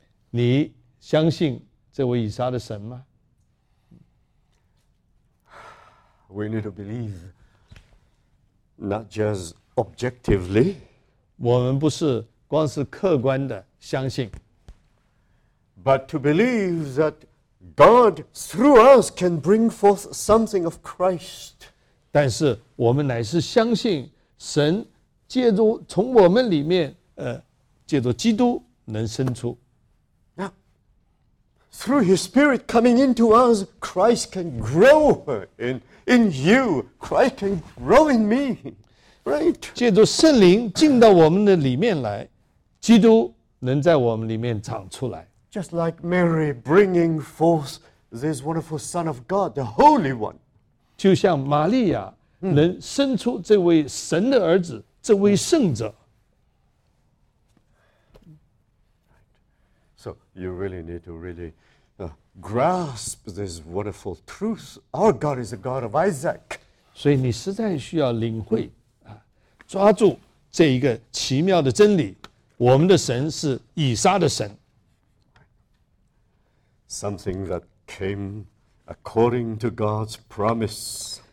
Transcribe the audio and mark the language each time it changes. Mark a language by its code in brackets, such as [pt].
[zh] 你相信这位以撒的神吗？ [en] We need to believe not just objectively. [zh] 我们不是光是客观的相信。 [en] But to believe that God through us can bring forth something of Christ. [zh] 但是我们乃是相信神借着从我们里面借着基督能生出。 [en] Now, through His Spirit coming into us, Christ can grow in you. Christ can grow in me. Right? [zh] 借着圣灵进到我们的里面来，基督能在我们里面长出来。 [en] Just like Mary bringing forth this wonderful Son of God, the Holy One. [zh] 就像玛利亚能生出这位神的儿子，这位圣者。 [en] So you really need to really grasp this wonderful truth. Our God is the God of Isaac. [zh] 所以你实在需要领会抓住这一个奇妙的真理。我们的神是以撒的神。 [en] Something that came according to God's promise.